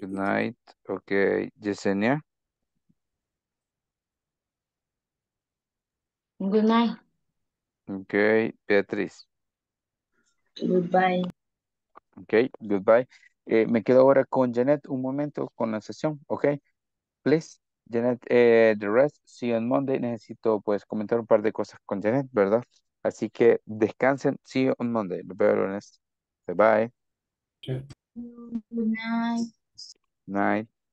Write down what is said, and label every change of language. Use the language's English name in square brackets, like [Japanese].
[English] Good night, okay. Yesenia. Good night. Okay, Beatriz. Goodbye. Okay, goodbye. [Spanish] Me quedo ahora con Janet un momento con la sesión, okay? [English] Please, Janet, the rest, see you on Monday. [Spanish] Necesito, pues, comentar un par de cosas con Janet, ¿verdad? Así que descansen, [English] see you on Monday. [Spanish] Los veo el lunes. [English] Bye. Okay. Good night. Night.